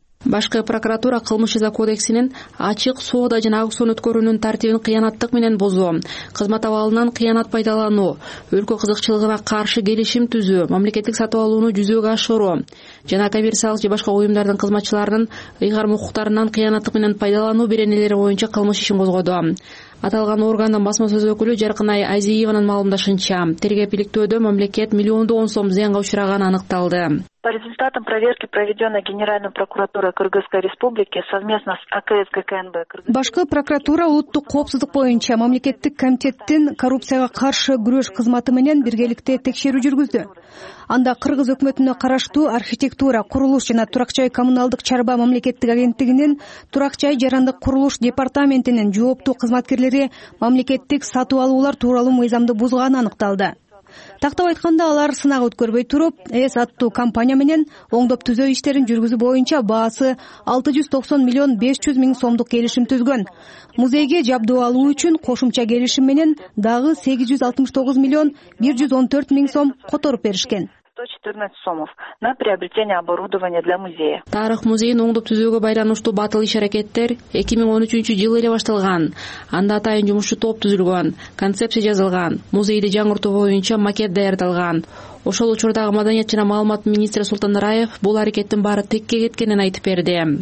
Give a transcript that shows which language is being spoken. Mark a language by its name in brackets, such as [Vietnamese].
[Kyrgyz] Башкы прокуратура кылмыш жаза кодексинин ачык соода жана аукцион өткөрүүнүн тартибин кыянаттык менен бузуу, кызмат абалынан кыянат пайдалануу, өлкө кызыкчылыгына каршы келишим түзүү, мамлекеттик сатып алууну жүзөгө ашыруу жана коммерциялык же башка уюмдардын кызматчыларынын ыйгарым укуктарынан кыянаттык менен пайдалануу беренелери боюнча кылмыш ишин козгоду. Аталган органдын басма сөз өкүлү Жаркынай Азиеванын маалымдашынча, тергеп иликтөөдө мамлекет миллиондогон сом зыянга учураганы аныкталды. [Russian] По результатам проверки, проведенной Генеральной прокуратурой Кыргызской Республики совместно с АКС ГКНБ... [Kyrgyz] Башкы прокуратура улуттук коопсуздук боюнча мамлекеттик комитеттин коррупцияга каршы күрөш кызматы менен биргеликте текшерүү жүргүздү. Анда Кыргыз өкмөтүнө караштуу архитектура, курулуш жана турак жай коммуналдык чарба мамлекеттик агенттигинин турак жай жарандык курулуш департаментинин жооптуу кызматкерлери мамлекеттик сатып алуулар тууралуу мыйзамды бузганы аныкталды. Тактап айтканда, алар сынак өткөрбөй туруп, ЭС аттуу компания менен оңдоп түзөө иштерин жүргүзүү боюнча баасы 690 миллион 500 миң сомдук келишим түзгөн. Музейге жабдуу алуу үчүн кошумча келишим менен дагы 869 миллион 114 миң сом которуп беришкен. [Russian] 114 сомов на приобретение оборудования для музея. [Kyrgyz] Тарых музейин оңдоп түзөөгө байланыштуу батыл иш-аракеттер 2013 жылы эле башталган. Анда атайын жумушчу топ түзүлгөн, концепция жазылган, музейди жаңыртуу боюнча макет даярдалган. Ошол учурдагы маданият жана маалымат министри Султан Нараев бул аракеттин баары текке кеткенин айтып берди.